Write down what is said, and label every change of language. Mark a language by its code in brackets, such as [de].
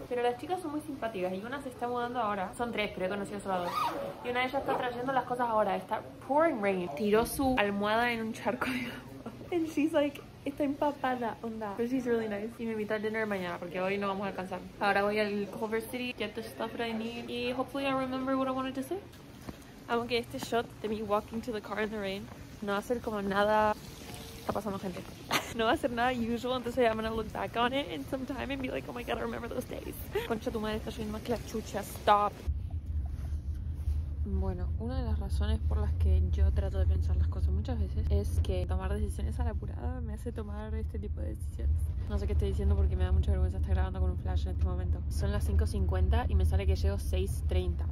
[es] Pero las chicas son muy simpáticas y una se está mudando ahora. Son tres, pero he conocido solo a dos. Y una de ellas está trayendo las cosas ahora. Está [en] pouring rain. [es] Tiró su almohada en un charco de agua. [en] And she's like, [es] está empapada, onda. [en] But she's really nice. [es] Y me invita a dinner mañana porque hoy no vamos a alcanzar. Ahora voy al Culver City, [en] get the stuff that I need. [es] Y [en] hopefully I remember what I wanted to say. [es] Aunque este shot de [en] me walking to the car in the rain [es] no va a ser como nada. Está pasando gente. No va a ser nada usual, entonces [en] I'm gonna look back on it in some time and be like, oh my god, I remember those days. [es] Concha tu madre, está subiendo más que la chucha, stop. Bueno, una de las razones por las que yo trato de pensar las cosas muchas veces es que tomar decisiones a la apurada me hace tomar este tipo de decisiones. No sé qué estoy diciendo porque me da mucha vergüenza estar grabando con un flash en este momento. Son las 5:50 y me sale que llego 6:30.